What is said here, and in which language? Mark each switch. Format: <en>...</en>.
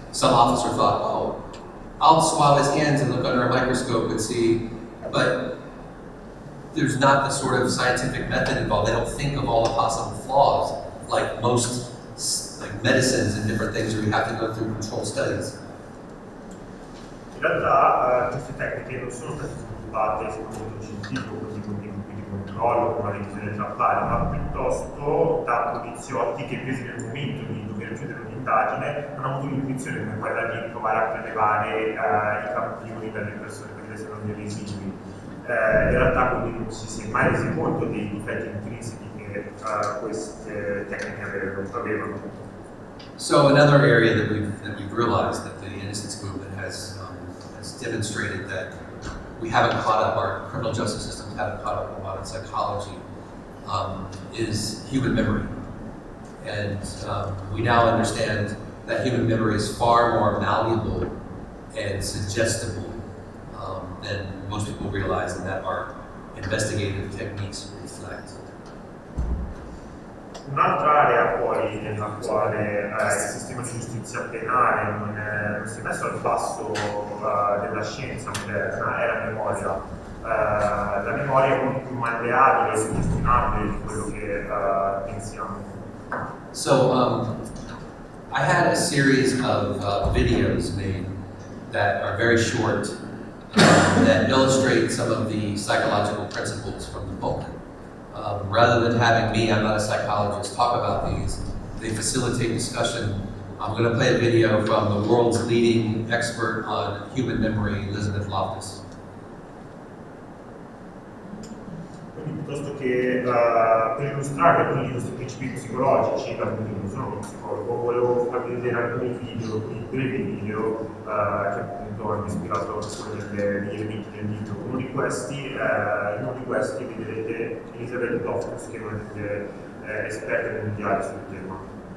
<en>Some officer thought, oh, I'll swab his hands and look under a microscope and see, but there's not the sort of scientific method involved. They don't think of all the possible flaws like most like medicines and different things where you have to go through controlled studies.</en> <it>In realtà queste tecniche non sono state sviluppate secondo un scientifico, così come di controllo, con una revisione tra pari, ma piuttosto da poliziotti che, presi nel momento di dover chiudere un'indagine, hanno avuto l'intuizione come quella di provare a prelevare i campioni dalle persone per vedere se erano dei residui. In realtà, quindi, non si è mai resi conto dei difetti intrinseci che queste tecniche avevano.</it> <en>So, another area that we've realized that the innocence movement has demonstrated that we haven't caught up, our criminal justice system haven't caught up with modern psychology, is human memory. And we now understand that human memory is far more malleable and suggestible than most people realize, and that our investigative techniques reflect.</en> <it>Un'altra area poi nella quale il sistema di giustizia penale non si è messo al passo della scienza moderna è la memoria. La memoria è molto più malleabile e suggestionabile di quello che pensiamo.</it> <en>So, I had a series of videos made that are very short that illustrate some of the psychological principles from the book. Rather than having me, I'm not a psychologist, talk about these, they facilitate discussion. I'm going to play a video from the world's leading expert on human memory, Elizabeth Loftus.</en> <it>Quindi piuttosto che per illustrare alcuni di questi principi psicologici, da cui non sono un psicologo, volevo farvi vedere alcuni video, alcuni brevi video che appunto hanno ispirato alcuni degli elementi del libro. Uno di questi vedrete Elizabeth Loftus, che è una delle esperte mondiali sul tema.</it>